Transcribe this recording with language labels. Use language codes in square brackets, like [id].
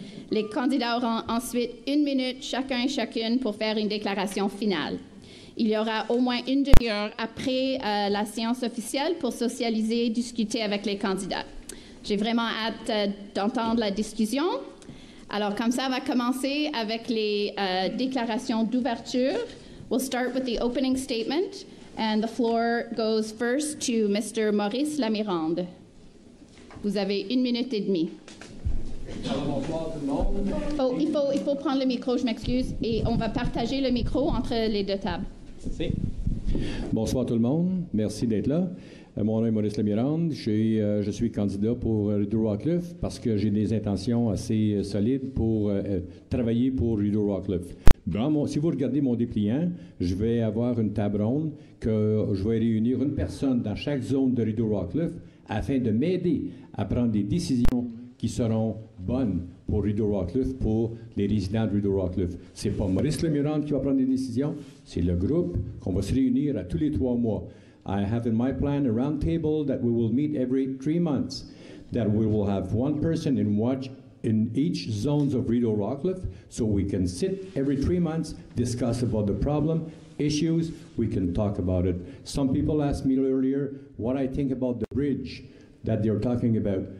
[fr] Les candidats auront ensuite 1 minute chacun et chacune pour faire une déclaration finale. Il y aura au moins une demi-heure après la séance officielle pour socialiser et discuter avec les candidats. J'ai vraiment hâte d'entendre la discussion. Alors, comme ça, on va commencer avec les déclarations d'ouverture. [en] We'll start with the opening statement, and the floor goes first to Mr. [fr] Maurice Lamirande. Vous avez 1 minute et demie. Alors, bonsoir tout le monde. Oh, il faut prendre le micro, je m'excuse, et on va partager le micro entre les deux tables. Si. Bonsoir tout le monde, merci d'être là. Mon nom est Maurice Lamirande, je suis candidat pour Rideau-Rockcliffe parce que j'ai des intentions assez solides pour travailler pour Rideau-Rockcliffe. Si vous regardez mon dépliant, je vais avoir une table ronde que je vais réunir une personne dans chaque zone de Rideau-Rockcliffe afin de m'aider à prendre des décisions qui seront bonnes pour Rideau-Rockcliffe, pour les résidents de Rideau-Rockcliffe. Ce n'est pas Maurice Lemurande qui va prendre des décisions, c'est le groupe qu'on va se réunir à tous les trois mois. [en] I have in my plan a round table that we will meet every 3 months, that we will have one person in watch in each zone of Rideau-Rockcliffe, so we can sit every 3 months, discuss about the problem, issues, we can talk about it. Some people asked me earlier what I think about the bridge that they're talking about.